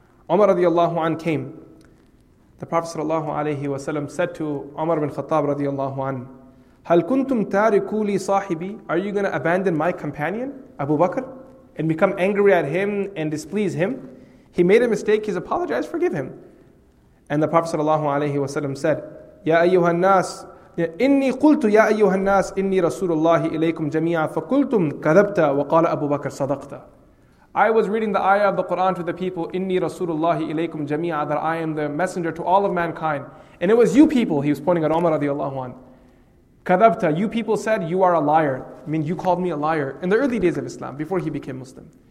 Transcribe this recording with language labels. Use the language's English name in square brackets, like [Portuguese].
[English] Umar radiallahu anhu came. The Prophet sallallahu alayhi wa sallam said to Umar bin Khattab radiallahu anhu, [Arabic] هَلْ كُنْتُمْ تَارِكُوا لِي صَاحِبِي? [English] Are you going to abandon my companion, Abu Bakr, and become angry at him and displease him? He made a mistake, he's apologized, forgive him. And the Prophet sallallahu alayhi wa sallam said, [Arabic] يَا أَيُّهَا النَّاسِ إني قلت يا أيها الناس إني رسول الله إليكم جميعا فقلتم كذبت وقال أبو بكر صدقت. [English] I was reading the ayah of the Quran to the people, [Arabic] إني رسول الله إليكم جميعا, [English] that I am the messenger to all of mankind. And it was you people, he was pointing at Umar رضي الله عنه. كذبت, you people said you are a liar. I mean, you called me a liar in the early days of Islam, before he became Muslim.